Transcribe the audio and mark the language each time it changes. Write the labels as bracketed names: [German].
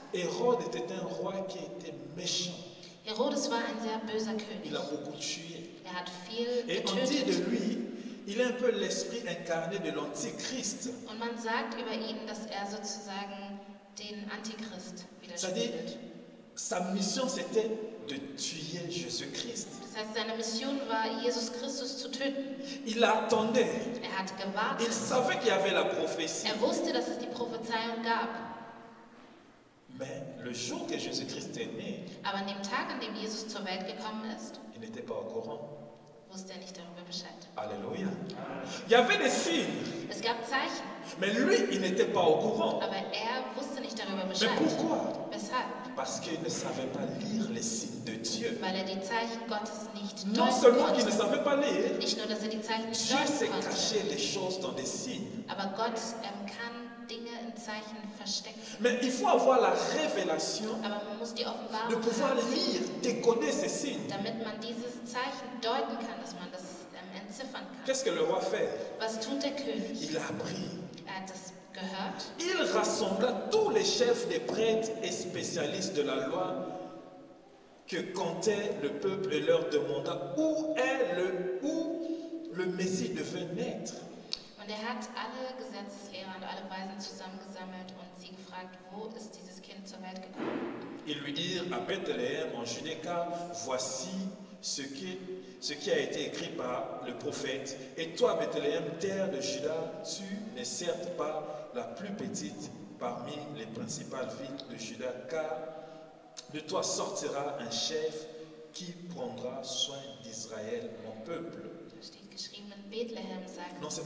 [French] Hérode était un roi qui était méchant. [German] Herodes war ein sehr böser König. [French] Il a beaucoup tué. [German] Er hat viel getötet. [French] Et on dit de lui, il est un peu l'esprit incarné de l'Antichrist. [German] Und man sagt über ihn, dass er sozusagen den Antichrist widerspiegelt. [French] Sa mission c'était de tuer Jésus-Christ. [German] Das heißt, seine Mission war, Jesus Christus zu töten. [French] Il attendait. [German] Er hat gewartet. [French] Il savait qu'il y avait la prophétie. [German] Er wusste, dass es die Prophezeiung gab. [French] Mais le jour que Jésus-Christ est né, [German] aber an dem Tag, an dem Jesus zur Welt gekommen ist, [French] il n'était pas au courant. [German] Wusste er nicht darüber Bescheid. [French] Alléluia. Il y avait des signes. [German] Es gab Zeichen. [French] Mais lui, il n'était pas au courant. [German] Aber er wusste nicht darüber Bescheid. [French] Mais pourquoi? [German] Weshalb? [French] Parce qu'il ne savait pas lire les signes de Dieu. [German] Weil er die Zeichen Gottes nicht deuten konnte. [French] Non seulement qu'il ne savait pas lire. [German] Nicht nur, dass er die Zeichen nicht deuten konnte. [French] Dieu sait cacher les choses dans des signes. [German] Aber Gott kann Dinge in Zeichen verstecken. [French] Mais il faut avoir la révélation. [German] Aber man muss die Offenbarung [French] de pouvoir [German] haben, [French] lire, décoder ces signes. [German] Damit man dieses Zeichen deuten kann, dass man das entziffern kann. [French] Qu'est-ce que le roi fait? [German] Was tut der König? [French] Il a appris. [German] Er hat das gehört. [French] Il rassembla tous les chefs des prêtres et spécialistes de la loi que comptait le peuple et leur demanda où est où le Messie devait naître. [German] Und er hat alle Gesetzeslehrer und alle Weisen zusammengesammelt und sie gefragt, wo ist dieses Kind zur Welt gekommen? [French] Ils lui dirent à Bethléem en Judée, voici ce qui a été écrit par le prophète. Et toi, Bethléem, terre de Juda, tu n'es certes pas la plus petite parmi les principales villes de Juda, car de toi sortira un chef qui prendra soin d'Israël, mon peuple. [German] Da steht geschrieben, in Bethlehem, sagt.